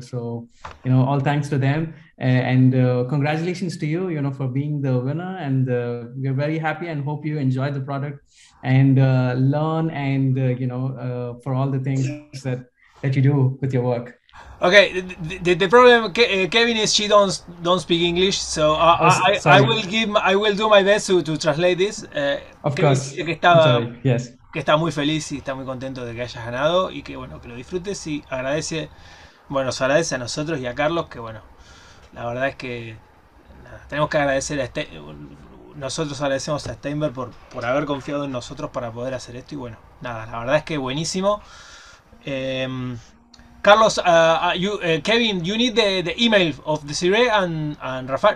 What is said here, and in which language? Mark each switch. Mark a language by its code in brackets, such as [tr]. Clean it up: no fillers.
[en] So all thanks to them, and congratulations to you for being the winner, and we're very happy and hope you enjoy the product and learn, and for all the things that you do with your work. Okay, the problem, Kevin, is she don't speak English, so Oh, sorry. I will do my best to translate this. Of course. I'm sorry. Yes. [es] que está muy feliz y está muy contento de que hayas ganado y que, bueno, que lo disfrutes y agradece, bueno, se agradece a nosotros y a Carlos, que, bueno, la verdad es que nada, tenemos que agradecer a nosotros agradecemos a Steinberg por haber confiado en nosotros para poder hacer esto y, bueno, nada, la verdad es que buenísimo. [en] Carlos, Kevin, you need the email of Desiree and Rafael.